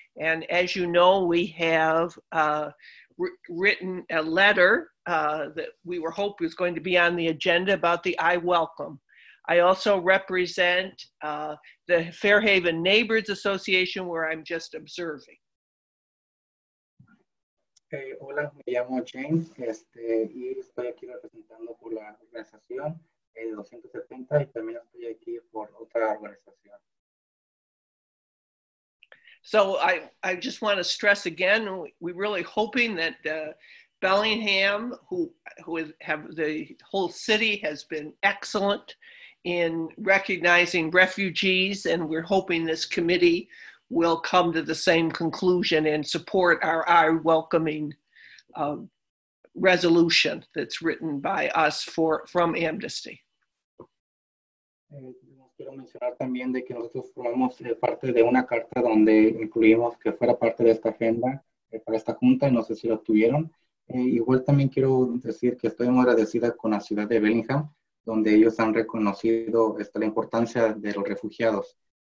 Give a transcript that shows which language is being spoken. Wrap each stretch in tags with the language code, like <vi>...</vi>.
<en>And as you know, we have written a letter that we were hoping was going to be on the agenda about the I Welcome. I also represent the Fairhaven Neighbors Association, where I'm just observing.</en> <es>Hey, hola, me llamo Jane, y estoy aquí representando por la organización 270 y también estoy aquí por otra organización.</es> <en>So I just want to stress again, we're really hoping that Bellingham, who have the whole city has been excellent in recognizing refugees, and we're hoping this committee will come to the same conclusion and support our I welcoming resolution that's written by us from Amnesty.</en> <es>Quiero mencionar también de que nosotros formamos parte de una carta donde incluimos que fuera parte de esta agenda para esta junta, y no sé si lo tuvieron. Igual también quiero decir que estoy muy agradecida con la ciudad de Bellingham, donde ellos han reconocido la importancia de los refugiados.</es>